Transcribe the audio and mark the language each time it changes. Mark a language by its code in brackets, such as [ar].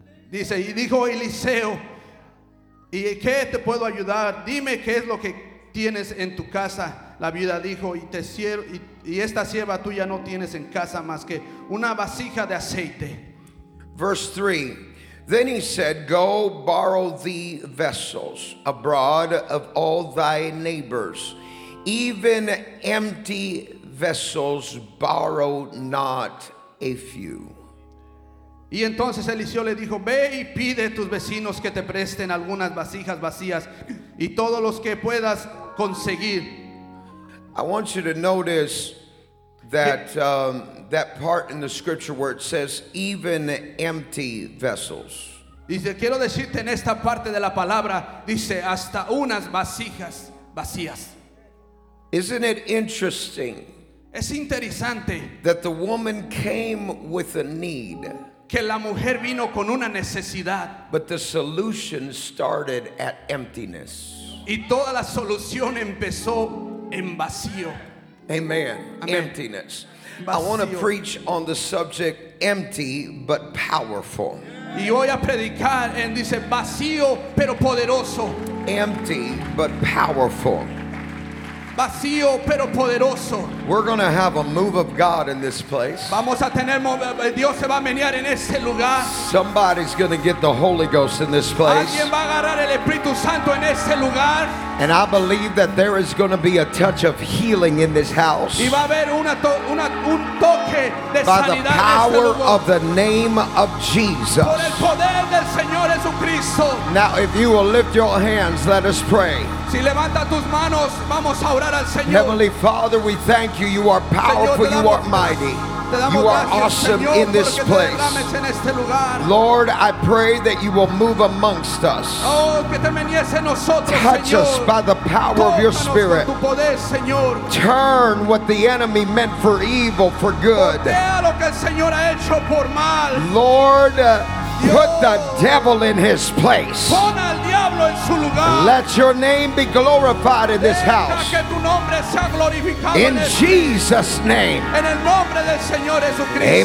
[es] Dice, y dijo Eliseo, ¿y qué te puedo ayudar? Dime qué es lo que tienes en tu casa. La viuda dijo, y esta sierva tuya no tienes en casa más que una vasija de aceite. [en] Verse 3, Then he said, Go borrow thee vessels abroad of all thy neighbors, even empty vessels, borrow not a few. [es] Y entonces Eliseo le dijo, Ve y pide tus vecinos que te presten algunas vasijas vacías y todos los que puedas conseguir. [en] I want you to notice that that part in the scripture where it says even empty vessels. [es] Dice, quiero decirte en esta parte de la palabra, dice, hasta unas vasijas vacías. [en] Isn't it interesting? [es] Es interesante. [en] That the woman came with a need. [es] Que la mujer vino con una necesidad. [en] But the solution started at emptiness. [es] Y toda la solución empezó en vacío. [en] Amen. Emptiness. Vacío. I want to preach on the subject empty but powerful. [es] Y voy a predicar en dice vacío pero poderoso. [en] Empty but powerful. [es] Vacío pero poderoso. [en] We're going to have a move of God in this place. [es] Vamos a tener Dios se va a menear en este lugar. [en] Somebody's going to get the Holy Ghost in this place. [es] Alguien va a agarrar el Espíritu Santo en este lugar. [en] And I believe that there is going to be a touch of healing in this house. [es] Y va a haber un toque de sanidad en este [en] By the power of the name of Jesus. [es] Por el poder del Señor Jesucristo. [en] Now if you will lift your hands, let us pray. [es] Si levanta tus manos, vamos a orar al Señor. [en] Heavenly Father, we thank you. You are powerful. [es] Señor, [en] you are mighty. You are awesome, [es] Señor, [en] in this place. Lord, I pray that you will move amongst us. [es] Oh, que te menies en nosotros, [en] Touch [es] Señor. [en] Us by the power [es] Tócanos [en] of your Spirit. [es] Tu poder, Señor. [en] Turn what the enemy meant for evil for good. [es] Voltea lo que el Señor ha hecho por mal. [en] Lord, put the devil in his place. [es] Pon al diablo en su lugar. [en] Let your name be glorified in this house. [es] Deja que tu nombre sea glorificado [en] in Jesus' name. [es] En el nombre del Señor Jesucristo.